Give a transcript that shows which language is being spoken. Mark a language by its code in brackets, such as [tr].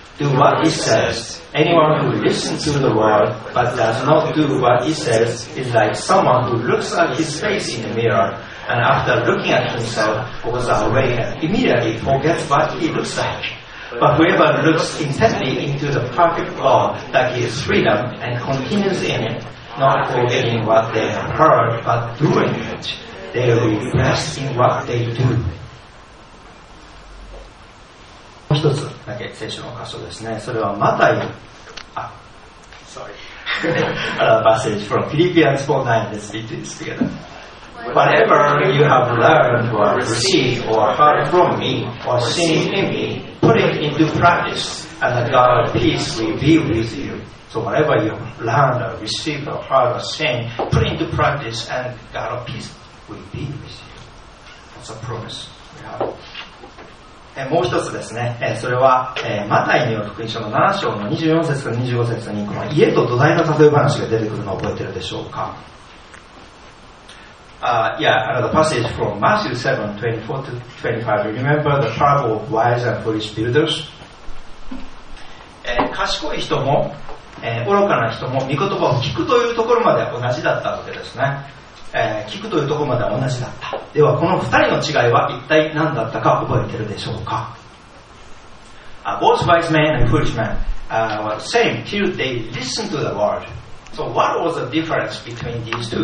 [en] Do what it says. Anyone who listens to the word but does not do what it says is like someone who looks at his face in the mirror and after looking at himself goes away and immediately forgets what he looks like. But whoever looks intently into the perfect law that gives freedom and continues in it, not forgetting what they have heard but doing it, they will be blessed in what they do. [ja] もう一つだけ聖書の箇所ですね。それはマタイ、パッセージ [en] from Philippians 4:9 [ja] です。 [en] Let's read together. Whatever you have learned or received or heard from me or seen in me, put it into practice and the God of peace will be with you. So whatever you have learned or received or heard or seen, put it into practice and God of peace will be with you. That's a promise we have. [ja] もう一つですね、それはマタイによる福音書の7章の24節から25節にこの家と土台の例え話が出てくるのを覚えているでしょうか。 [en] another passage from Matthew 7:24-25. Remember the parable of wise and foolish builders? [ja] 賢い人も、愚かな人も御言葉を聞くというところまでは同じだったわけですね。聞くというところまでは同じだった。ではこの2人の違いは一体何だったか覚えてるでしょうか。 [en] Both wise men and foolish men were the same till they listened to the word. So what was the difference between these two?